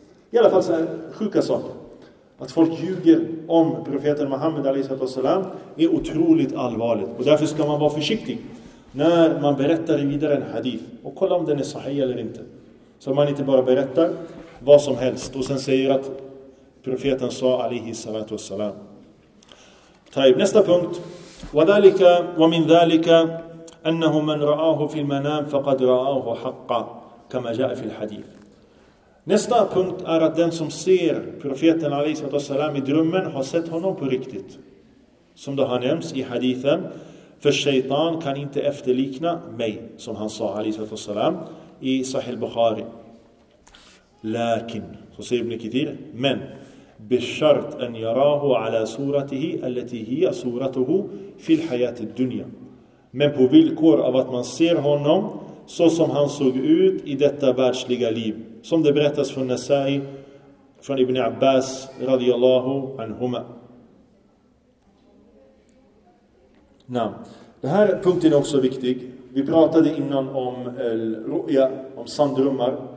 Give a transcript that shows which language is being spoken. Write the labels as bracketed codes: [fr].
[sv] I alla fall så här sjuka saker. Att folk ljuger om profeten Muhammed a.s. är otroligt allvarligt. Och därför ska man vara försiktig när man berättar vidare en hadith och kolla om den är sahih eller inte. Så man inte bara berättar vad som helst och sen säger att profeten sa alaihi salatu wassalam. Taib, nästa punkt. [ar] وذلك ومن ذلك انه من راه في المنام فقد راه حقا كما جاء في الحديث. [sv] Nästa punkt är att den som ser profeten alaihi salatu wassalam i drömmen har sett honom på riktigt. Som det har nämnts i hadithen, för shaitan kan inte efterlikna mig, som han sa alaihi salatu wassalam i Sahih al-Bukhari. Lakin, så säger Ibn Kathir, men [ar] بشرط أن يراه على صورته التي هي صورته في الحياة الدنيا. [sv] Men på villkor av att man ser honom så som han såg ut i detta världsliga liv. Som det berättas från Nasai, från Ibn Abbas radiyallahu anhuma. Naam. Det här punkten är också viktig. Vi pratade innan om ru'ya, om sandrummar.